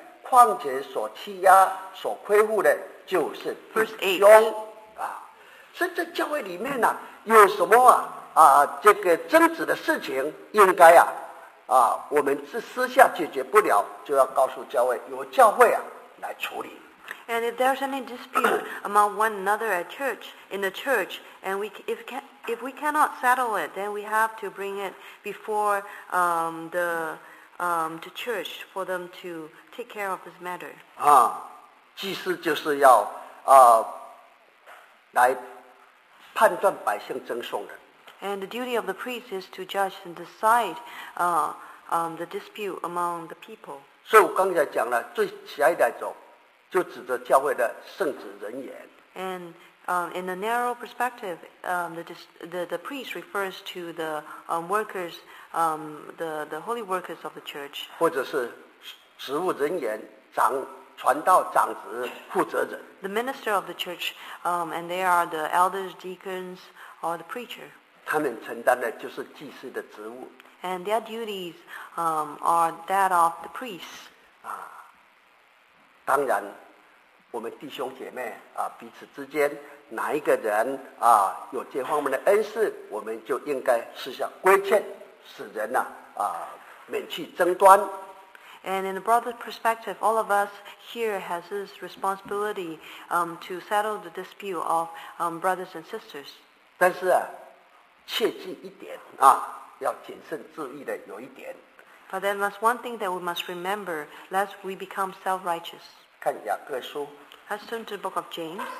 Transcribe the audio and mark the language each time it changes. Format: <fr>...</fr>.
<zh>况且所欺压、所亏负的，就是弟兄啊。所以在教会里面呢、啊，有什么这个争执的事情，应该我们是私下解决不了，就要告诉教会，由教会来处理。</zh> <en>And if there's any dispute among one another at church, in the church, and if we cannot settle it, then we have to bring it before the church for them to take care of this matter.</en> <zh>啊，祭司就是要来判断百姓争讼的。</zh> <en>And the duty of the priest is to judge and decide the dispute among the people.</en> <zh>所以我刚才讲了最狭义的一种。就指着教会的圣职人员。</zh> <en>And in a narrow perspective, the priest refers to the workers, the holy workers of the church.</en> <zh>或者是职务人员、传道、长职负责人。</zh> <en>The minister of the church, and they are the elders, deacons, or the preacher.</en> <zh>他们承担的就是祭司的职务。</zh> <en>And their duties, are that of the priests. 啊。</en> <zh>当然，我们弟兄姐妹啊，彼此之间哪一个人啊有这方面的恩赐，我们就应该私下规劝，使人免去争端。</zh> <en>And in the brother's perspective, all of us here has this responsibility to settle the dispute of brothers and sisters.</en> <zh>但是啊，切记一点啊，要谨慎注意的有一点。</zh> <en>But then that's one thing that we must remember, lest we become self-righteous.</en> <zh>看雅各书。</zh> <en>Let's turn to the book of James.</en>